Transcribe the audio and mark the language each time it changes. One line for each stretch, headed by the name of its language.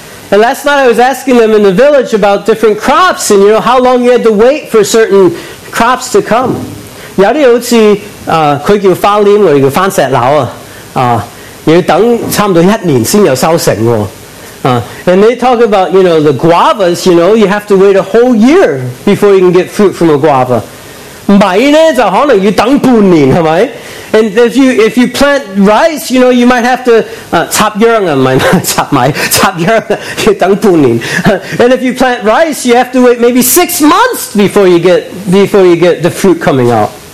English: And last night I was asking them in the village about different crops and, you know, how long you had to wait for certain crops to come.
Chinese: 有些好像他叫花蓮,我叫番石榴,要等差不多一年才有收成。 And
English: they talk about, you know, the guavas, you know, you have to wait a whole year before you can get fruit from a guava.
Chinese: 米呢,就可能要等半年,是吧?
English: And if you plant rice, you know, you might have to chop yurung, and if you plant rice, you have to wait maybe 6 months before you get the fruit coming out.